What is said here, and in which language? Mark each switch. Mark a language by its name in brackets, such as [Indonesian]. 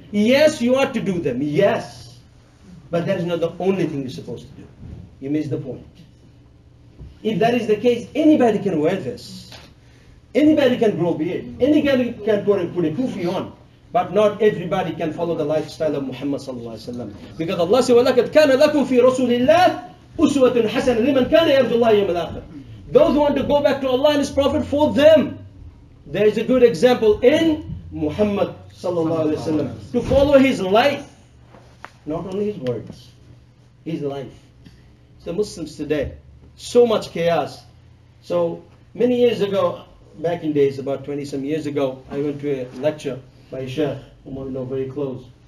[English] Yes, you ought to do them, yes. But that is not the only thing you're supposed to do. You miss the point. If that is the case, anybody can wear this. Anybody can grow beard. Anybody can put a kufi on. But not everybody can follow the lifestyle of Muhammad sallallahu alaihi wasallam. [Arabic] Because Allah said, وَلَكَدْ كَانَ لَكُمْ فِي رَسُولِ اللَّهِ أُسْوَةٌ حَسَنٌ لِمَنْ كَانَ يَرْجُ اللَّهِ يَوْمَ الْآخِرِ. [English] Those who want to go back to Allah and His Prophet, for them, there is a good example in Muhammad sallallahu alaihi wasallam to follow his life, not only his words, his life. So Muslims today, so much chaos. So many years ago, back in days, about 20 some years ago, I went to a lecture by a sheikh, whom I know very close.